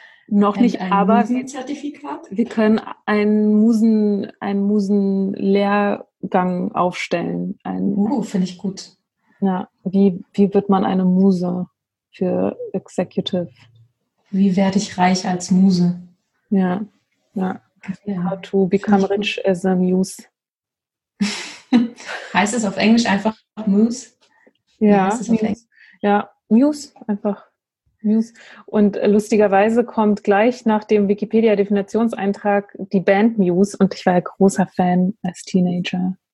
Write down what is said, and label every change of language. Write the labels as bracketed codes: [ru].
[de] Noch nicht, aber wir können einen Musenlehrgang aufstellen. Finde ich gut. Ja, wie wird man eine Muse für Executive? Wie werde ich reich als Muse? Ja, ja. [en] How to become rich as a muse. [de] Heißt es auf Englisch einfach Muse? Ja, Muse einfach. News. Und lustigerweise kommt gleich nach dem Wikipedia-Definitionseintrag die Band Muse und ich war ja großer Fan als Teenager.